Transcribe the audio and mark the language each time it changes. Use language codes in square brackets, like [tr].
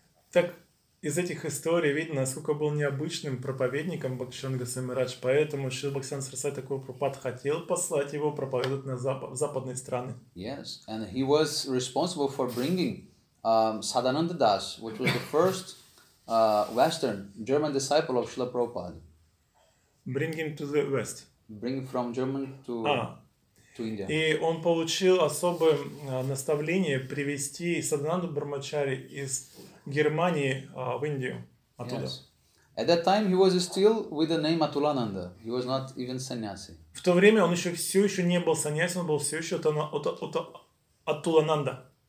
[en] Так, из этих историй видно, насколько был необычным проповедником Бхактишанга Goswami Maharaj, поэтому Шрила Бхактисиддханта Сарасвати Такура Прабхупада хотел послать его проповедовать на в западные страны. Yes, and he was responsible for bringing Sadananda Das, which was the first Western German disciple of Srila Prabhupada. Bring him to the West. Bring from German to to India. [ru] И он получил особое наставление привести Садхананду Брахмачари из Германии в Индию, оттуда. [en] Yes. At that time he was still with the name Atulananda. He was not even sannyasi. [ru] В то время он еще все еще не был сannyasi, он был все еще Атулананда,